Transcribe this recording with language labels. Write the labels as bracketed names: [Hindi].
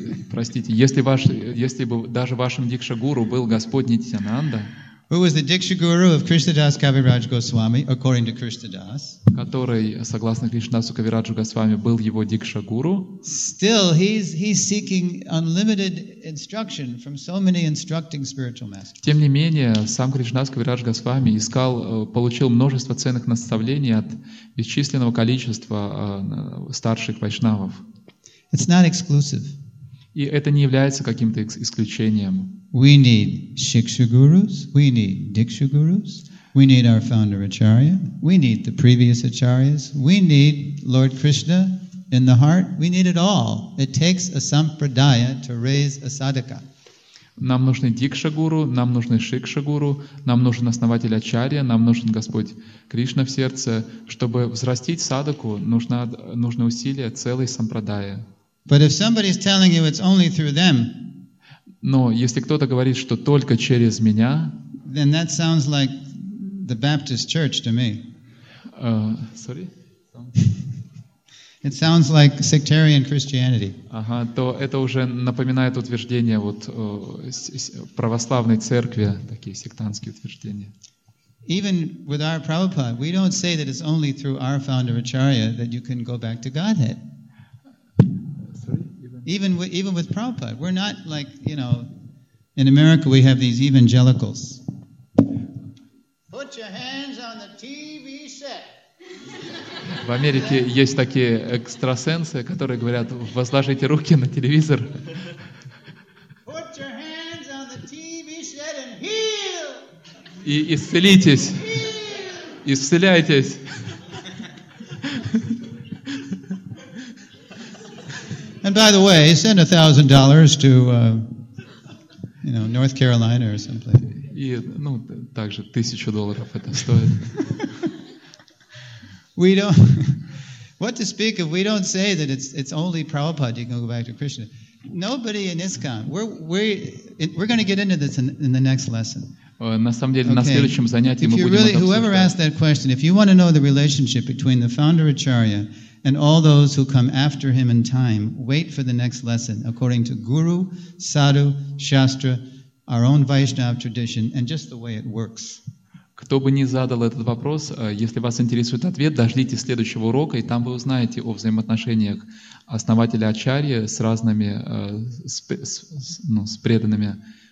[Russian] простите, если бы даже вашим Дикша Гуру был Господь Нитьянанда, [English] who was the Diksha Guru of Krishnadas Kaviraj Goswami, according to Krishnadas, [Russian] который, согласно Кришнадасу Кавираджу Госвами, был его Дикша Гуру, [English] still he's seeking unlimited instruction from so many instructing spiritual masters. [Russian] Тем не менее, сам Кришнадас Кавирадж Госвами искал, получил множество ценных наставлений от бесчисленного количества старших вайшнавов. [English] It's not exclusive. [Russian] И это не является каким-то исключением. [English] We need Shiksha Gurus, we need Diksha Gurus, we need our founder Acharya, we need the previous Acharyas, we need Lord Krishna in the heart, we need it all. It takes a Sampradaya to raise a Sadhaka. [Russian] Нам нужны Дикша Гуру, нам нужны Шикша Гуру, нам нужен основатель Ачарья, нам нужен Господь Кришна в сердце. Чтобы взрастить Садаку, нужны усилия целой Сампрадаи. [English] But if somebody's telling you it's only through them, [Russian] но если кто-то говорит, что только через меня, [English] then that sounds like the Baptist church to me. Sorry? It sounds like sectarian Christianity. [Russian] Ага, то это уже напоминает утверждение вот православной церкви, такие сектантские утверждения. [English] Even with our Prabhupada, we don't say that it's only through our founder Acharya that you can go back to Godhead. Even with Prabhupada, we're not like, you know, in America we have these evangelicals. Put your hands on the TV set. [Russian] В Америке есть такие экстрасенсы, которые говорят: «Возложите руки на телевизор». [English] Put your hands on the TV set and heal. [Russian] И исцелитесь. Исцеляйтесь. [English] And by the way, send $1,000 to, you know, North Carolina or someplace. [Russian] И, ну, также $1,000 это стоит. [English] We don't. What to speak of? We don't say that it's only Prabhupada you can go back to Krishna. Nobody in ISKCON. We're going to get into this in the next lesson. [Russian] На самом деле, okay. На следующем занятии [English] if [Russian] мы будем [English] really, [Russian] это обсуждать. [English] If you really, whoever asked that question, if you want to know the relationship between the founder Acharya and all those who come after him in time, wait for the next lesson according to Guru, Sadhu, Shastra, our own Vaishnava tradition, and just the way it works. [Russian] Кто бы ни задал этот вопрос, если вас интересует ответ, дождите следующего урока, и там вы узнаете о взаимоотношениях основателя Ачарьи с разными с преданными.